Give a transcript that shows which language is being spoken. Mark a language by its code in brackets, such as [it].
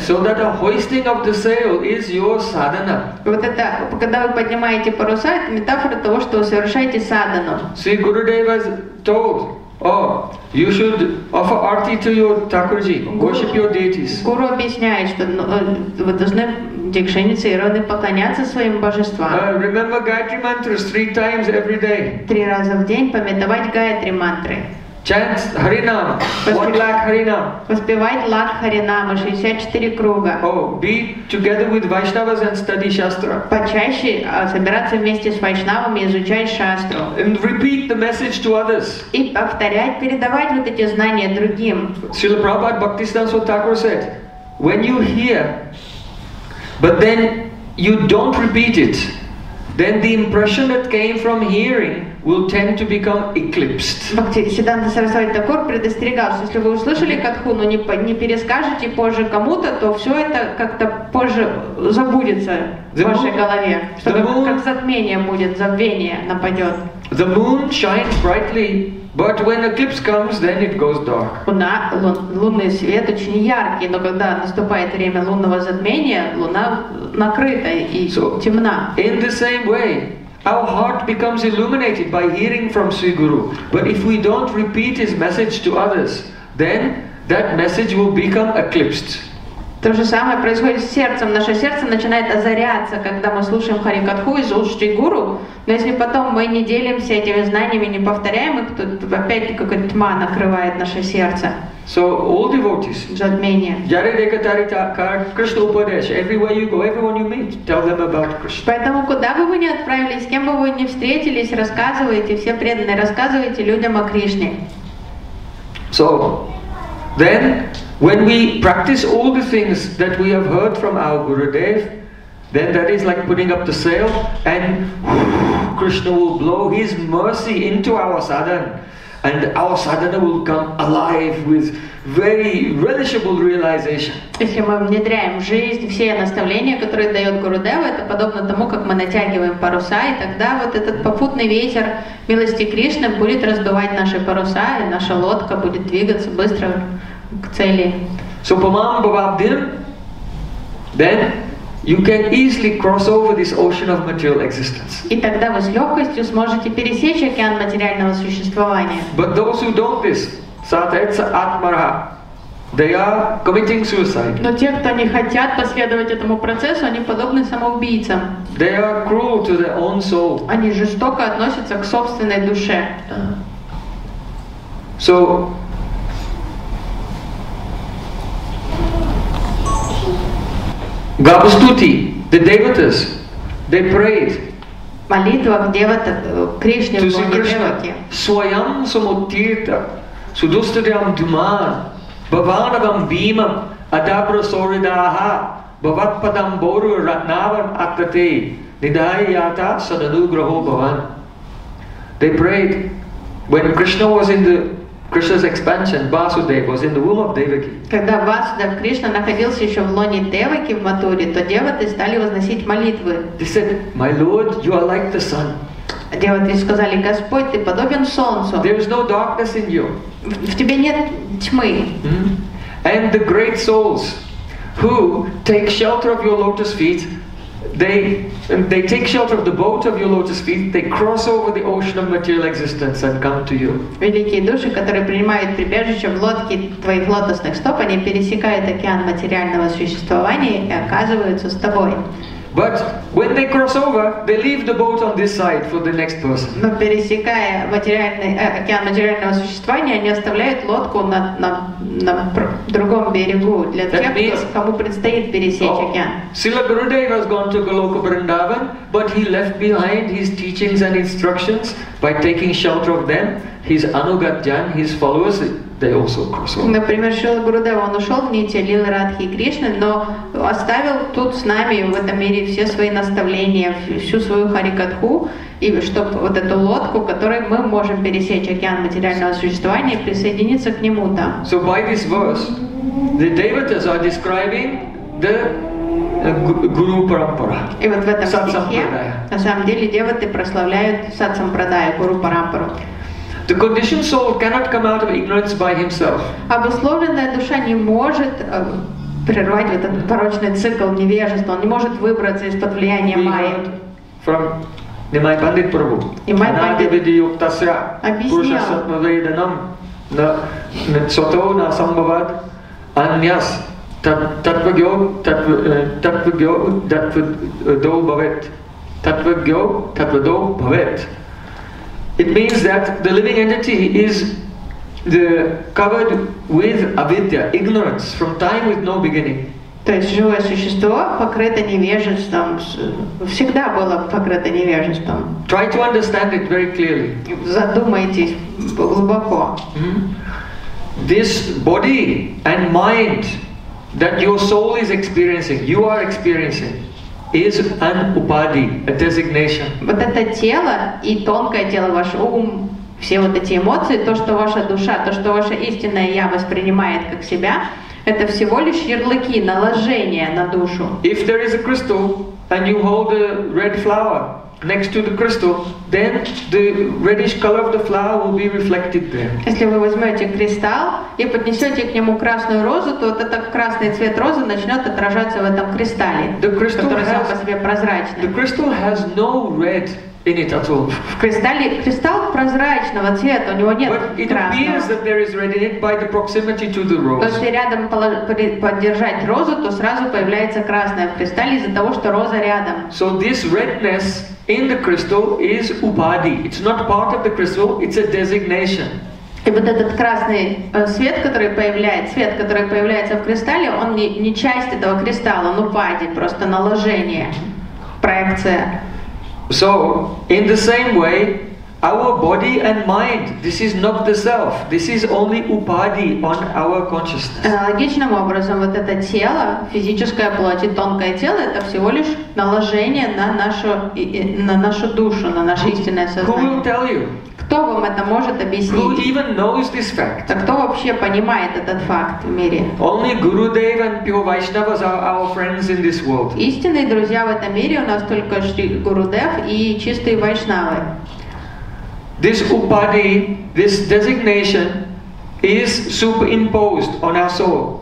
[en] So that the hoisting of the sail is your sadhana. [ru] Вот это, когда вы поднимаете паруса, это метафора того, что вы совершаете садхану. [en] Sri Gurudeva told, oh, you should offer arti to your Thakurji, worship your deities. [ru] Гуру объясняет, что вы должны дикшенице и роны поклоняться своим божествам. [en] Remember Gayatri mantras 3 times every day. [ru] 3 раза в день памятовать Гаятри мантры. [en] Chant Харинам, 1 lakh Харинам. [ru] Воспевать лакх Харинама, 64 круга. [en] Oh, be together with Vaishnavas and study Shastra. [ru] Почаще собираться вместе с Вайшнавами и изучать Шастру. [en] And repeat the message to others. [ru] И повторять, передавать вот эти знания другим. [en] Srila Prabhupada Bhaktisiddhanta Swami Thakur said, when you hear, but then you don't repeat it, then the impression that came from hearing will tend to become eclipsed. [ru] Бхактисиддханта Сарасвати Такур предостерегал, что если вы услышали катху, но не перескажете позже кому-то, то все это как-то позже забудется в вашей голове, как затмение будет, забвение нападет. [en] The moon shines brightly, but when eclipse comes, then it goes dark. [ru] Лунный свет очень яркий, но когда наступает время лунного затмения, луна накрыта и темна. [en] In the same way, our heart becomes illuminated by hearing from Sri Guru. But if we don't repeat his message to others, then that message will become eclipsed. [ru] То же самое происходит с сердцем. Наше сердце начинает озаряться, когда мы слушаем Харикатху из уст Шри Гуру. Но если потом мы не делимся этими знаниями, не повторяем их, то опять какая-то тьма накрывает наше сердце. [en] So all devotees, [ru] затмение. [sa] Jare deka tarita kar Krishna upadesh. [en] Everywhere you go, everyone you meet, tell them about Krishna. [ru] Поэтому куда бы вы ни отправились, с кем бы вы ни встретились, рассказывайте, все преданные, рассказывайте людям о Кришне. [en] So then, when we practice all the things that we have heard from our Gurudev, then that is like putting up the sail, and Krishna will blow his mercy into our sadhana. And our sadhana will come alive with very relishable realization. [ru] Если мы внедряем в жизнь все наставления, которые дает Гурудева, это подобно тому, как мы натягиваем паруса, и тогда вот этот попутный ветер милости Кришны будет раздувать наши паруса, и наша лодка будет двигаться быстро к цели. [en] So, [sa] Pamam Bhavabdhim, [en] then you can easily cross over this ocean of material existence. [ru] И тогда вы с легкостью сможете пересечь океан материального существования. [en] But those who don't this, [sa] satetsa atmara, [en] they are committing suicide. [ru] Но те, кто не хотят последовать этому процессу, они подобны самоубийцам. [en] They are cruel to their own soul. [ru] Они жестоко относятся к собственной душе. [en] So, Gavastuti, the devatas, they prayed. [ru] Молитва к девата Кришне. [en] To Sri Krishna. [sa] Swayam samuttirta, sudustriyam dhuman, bhavanavam bhimam, adabra soridaha, bhavatpadam boru ratnavam akrate, nidhayata sananugraho bhavan. [en] They prayed when Krishna was in the Krishna's expansion, Vasudev, was in the womb of Devaki. [ru] Когда Васудев Кришна находился еще в лоне Деваки в Матуре, то деваты стали возносить молитвы. [en] They said, "My Lord, you are like the sun." [ru] Деваты сказали, Господь, ты подобен солнцу. [en] There is no darkness in you. [ru] В тебе нет тьмы. [en] And the great souls who take shelter of your lotus feet, they take shelter of the boat of your lotus feet, they cross over the ocean of material existence and come to you. [ru] Великие души, которые принимают прибежище в лодке твоих лотосных стоп, они пересекают океан материального существования и оказываются с тобой. [en] But when they cross over, they leave the boat on this side for the next person. [ru] Но пересекая океан материального существования, они оставляют лодку на другом берегу для тех, кому предстоит пересечь океан. [en] Srila Gurudev has gone to Goloka Vrindavan, but he left behind his teachings and instructions by taking shelter of them, his anugatjan, his followers. They also cross over. [ru] Например, Шрила Гурудева, он ушел в нити лилы Радхи и Кришны, но оставил тут с нами в этом мире все свои наставления, всю свою харикатху, и чтобы вот эту лодку, которой мы можем пересечь океан материального существования, присоединиться к нему там. [en] So by this verse, the devatas are describing the guru parampara. [ru] И вот в этом стихе, на самом деле, деваты прославляют сат-сампрадая, гуру парампару. [en] The conditioned soul cannot come out of ignorance by himself. [ru] Обусловленная душа не может прервать этот порочный цикл невежества. Он не может выбраться из-под влияния майи. [en] From Nimai Pandit Prabhu. [sa] Anadi vidhi yuktasya purusha satma vedanam na svato na sambhavat anyas tatvagyo tatvagyo tatvado bhavet tatvagyo tatvado bhavet. [en] It means that the living entity is the covered with avidya, ignorance, from time with no beginning. [ru] То есть живое существо покрыто невежеством, всегда было покрыто невежеством. [en] Try to understand it very clearly. [ru] Задумайтесь глубоко. [en] This body and mind that your soul is experiencing, you are experiencing, is an upadhi, a designation. [ru] Вот это тело и тонкое тело, ваш ум, все вот эти эмоции, то, что ваша душа, то, что ваше истинное я воспринимает как себя, это всего лишь ярлыки, наложения на душу. [en] If there is a crystal and you hold a red flower next to the crystal, then the reddish color of the flower will be reflected there. [ru] Если вы возьмете кристалл и поднесете к нему красную розу, то вот этот красный цвет розы начнет отражаться в этом кристалле, который сам по себе прозрачный. [en] The crystal has no red in it at all. [ru] В кристалле кристалл прозрачного цвета, у него нет красного. [en] But it appears that there is red in it by the proximity to the rose. [ru] То есть рядом подержать розу, то сразу появляется красное в кристалле из-за того, что роза рядом. [en] So this redness in the crystal is upadhi. It's not part of the crystal, it's a designation. [ru] И вот этот красный свет, который появляется в кристалле, он не часть этого кристалла, он упади, просто наложение, проекция. [en] So, in the same way, our body and mind, this is not the self, this is only upadhi on our consciousness. [ru] Аналогичным образом, вот это тело, физическая плоть и тонкое тело, это всего лишь наложение на нашу душу, на наше истинное сознание. [en] Who will tell you? [ru] Кто вам это может объяснить? [en] Who even knows this fact? [ru] А кто вообще понимает этот факт в мире? [en] Only Gurudev and pure Vaishnavas are our friends in this world. [ru] Истинные друзья в этом мире у нас только Гурудев и чистые Вайшнавы. [en] This upadhi, this designation, is superimposed on our soul.